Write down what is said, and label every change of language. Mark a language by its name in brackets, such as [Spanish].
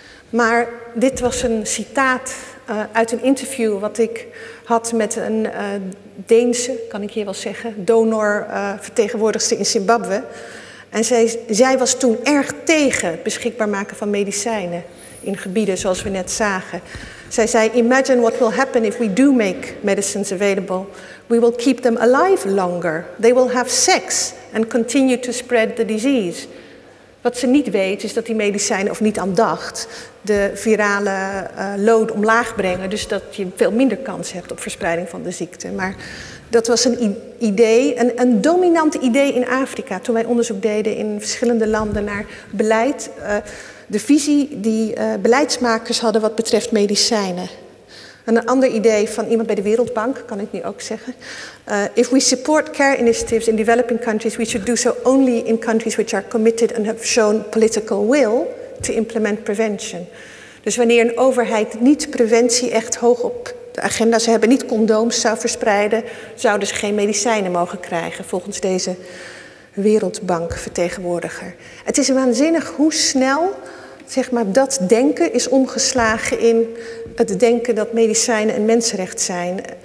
[Dutch] Maar dit was een citaat uit een interview wat ik had met een Deense, kan ik hier wel zeggen, donorvertegenwoordigster in Zimbabwe. En zij was toen erg tegen het beschikbaar maken van medicijnen in gebieden zoals we net zagen. Zij zei, [English] imagine what will happen if we do make medicines available. We will keep them alive longer. They will have sex and continue to spread the disease. [Dutch] Wat ze niet weet is dat die medicijnen, of niet aan dacht, de virale load omlaag brengen. Dus dat je veel minder kans hebt op verspreiding van de ziekte. Maar dat was een idee, een dominant idee in Afrika. Toen wij onderzoek deden in verschillende landen naar beleid. De visie die beleidsmakers hadden wat betreft medicijnen. En een ander idee van iemand bij de Wereldbank, kan ik nu ook zeggen. [English] If we support care initiatives in developing countries, we should do so only in countries which are committed and have shown political will to implement prevention. [Dutch] Dus wanneer een overheid niet preventie echt hoog op de agenda, ze hebben niet condooms zou verspreiden, zouden ze geen medicijnen mogen krijgen, volgens deze Wereldbankvertegenwoordiger. Het is waanzinnig hoe snel, zeg maar, dat denken is omgeslagen in het denken dat medicijnen een mensenrecht zijn.